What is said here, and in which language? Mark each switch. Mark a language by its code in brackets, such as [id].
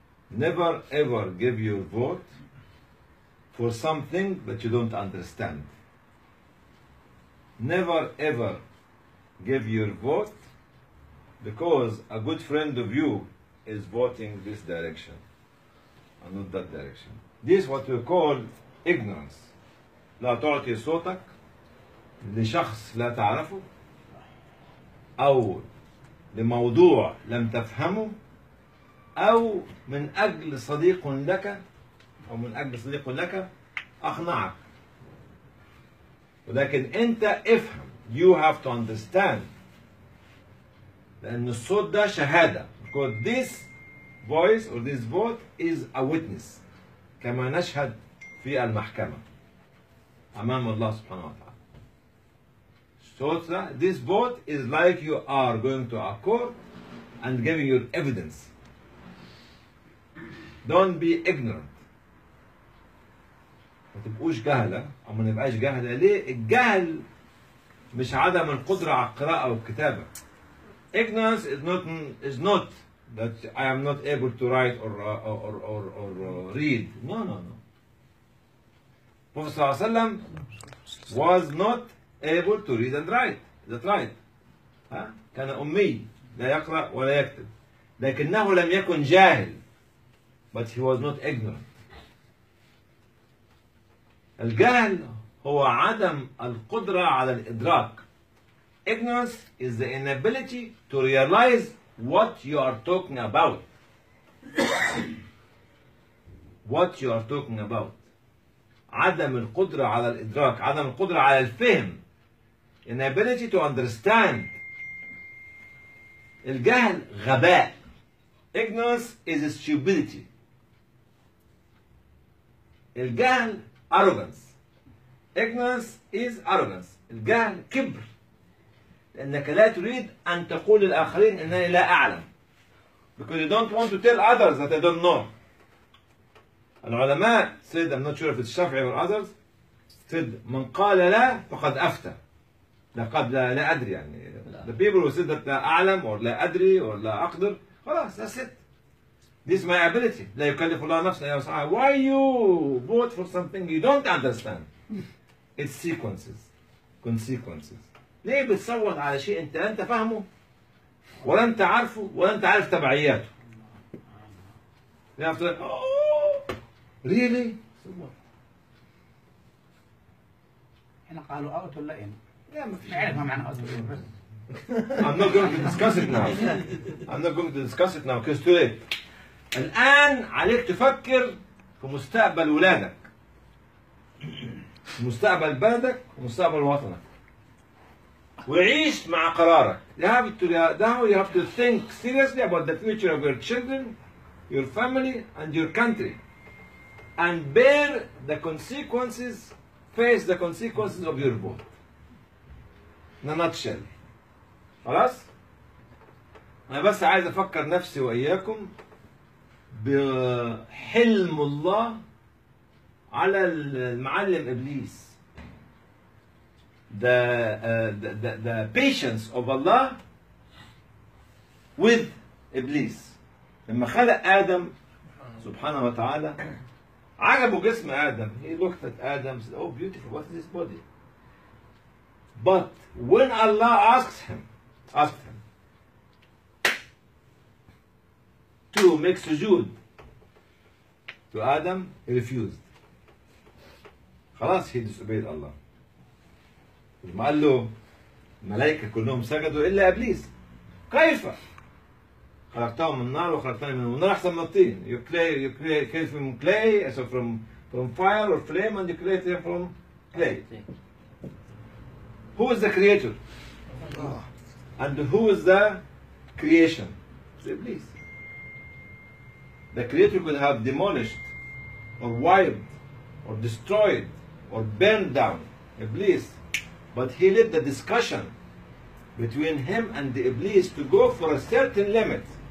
[en] Never ever give your vote for something that you don't understand. Never ever give your vote because a good friend of you is voting this direction and not that direction. This is what we call ignorance. [ar] لا تعطي صوتك لشخص لا تعرفه أو لموضوع لم تفهمه أو من أجل صديق لك أو من أجل صديق لك أقنعك. ولكن أنت افهم. [en] You have to understand. [ar] لأن الصوت ده شهادة. [en] Because this voice or this vote is a witness. [ar] كما نشهد في المحكمة أمام الله سبحانه وتعالى. [en] So this vote is like you are going to a court and giving your evidence. Don't be ignorant. [ar] ما تبقوش جهلة أو ما نبقاش جهلة. ليه؟ الجهل مش عدم القدرة على القراءة والكتابة. [en] Ignorance is not that I am not able to write or read. No. Prophet [ar] صلى الله عليه وسلم [en] was not able to read and write. That right. [ar] ها؟ كان أمي لا يقرأ ولا يكتب. لكنه لم يكن جاهل. [en] But he was not ignorant. [ar] الجهل هو عدم القدرة على الإدراك. [en] Ignorance is the inability to realize what you are talking about. What you are talking about. [ar] عدم القدرة على الإدراك. عدم القدرة على الفهم. [en] Inability to understand. [ar] الجهل غباء. [en] Ignorance is stupidity. الجهل arrogance. Ignorance is arrogance. [ar] الجهل كبر. لأنك لا تريد أن تقول للآخرين أنني لا أعلم. [en] Because you don't want to tell others that I don't know. العلماء said, I'm not sure if it's Shafi'i or others, said, [ar] من قال لا فقد أفتى. لقد لا أدري يعني لا. [en] The people who said that [ar] لا أعلم [en] or [ar] لا أدري [en] or [ar] لا أقدر خلاص [en] that's it. This is my ability. [ar] لا يكلف الله نفسا إلا وسعها. [en] Why you vote for something you don't understand? It's sequences. Consequences. [ar] ليه بتصوت على شيء أنت لا أنت فهمه ولا أنت عارفه ولا أنت عارف تبعياته. [en] After that, oh, really? [ar] هنا قالوا أوت ولا إن [en] I'm not going to discuss it now. I'm not going to discuss it now because it's too late. [ar] الآن عليك تفكر في مستقبل ولادك. مستقبل بلدك ومستقبل وطنك. وعيش مع قرارك. [en] You have to think seriously about the future of your children, your family, and your country. And bear the consequences, face the consequences of your vote. In a nutshell. [ar] خلاص؟ أنا بس عايز أفكر نفسي وإياكم بحلم الله على المعلم إبليس. [en] The patience of Allah with إبليس. [ar] لما خلق آدم سبحانه وتعالى عجبه جسم آدم. [en] He looked at Adam and said, Oh beautiful, what is this body? But when Allah asks him to make sujood to Adam, he refused. خلاص he disobeyed Allah. [ar] ما قال له الملائكة كلهم سجدوا إلا إبليس. كيف؟ خلقتهم من النار وخلقتهم من النار أحسن من الطين. [en] You clay, you clay, came from clay, so from from fire or flame and declares them from clay. Who is the creator? Allah. And who is the creation? Say please. The creator could have demolished or wiped or destroyed or burned down Iblis, but he let the discussion between him and the Iblis to go for a certain limit.